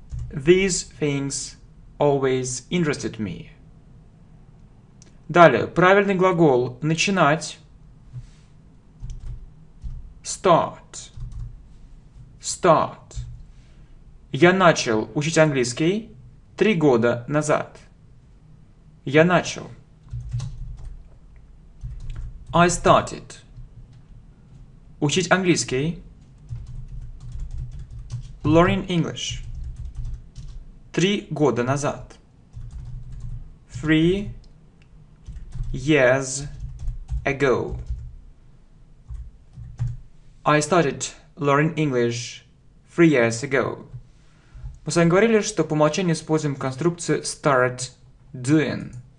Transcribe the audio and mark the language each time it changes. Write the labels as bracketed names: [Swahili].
[English] These things always interested me. [Russian] Далее, правильный глагол начинать. [English] Start. Start. [Russian] Я начал учить английский 3 года назад. Я начал. [English] I started. [Russian] Учить английский. [English] Learning English. [Russian] 3 года назад. [English] 3 years ago. I started learning English 3 years ago. [Russian] Мы с вами говорили, что по умолчанию используем конструкцию [English] start doing.